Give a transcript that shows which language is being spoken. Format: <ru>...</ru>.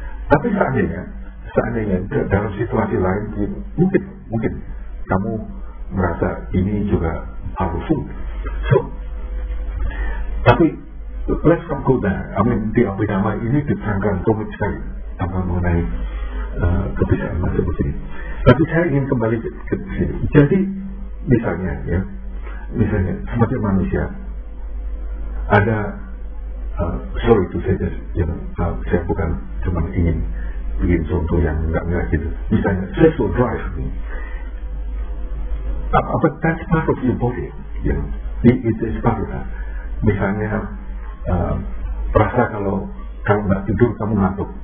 <id>Tapi seandainya dalam situasi lain mungkin kamu merasa ini juga harus full.</id> <en>So,</en> <id>tapi</id> <en>let's not go there. I mean,</en> <id>di Abhidhamma ini diterangkan komik saya tentang mengenai kebiasaan macam begini. Tapi saya ingin kembali ke sini. Jadi misalnya sebagai manusia ada</id> <en>sorry to say this,</en> <id>saya bukan cuma ingin bikin contoh yang enggak gitu. Misalnya,</id> <en>stress will drive me. But that's part of your body. It's part of that.</en> <id>Misalnya, perasa kalau enggak tidur, kamu ngantuk.</id>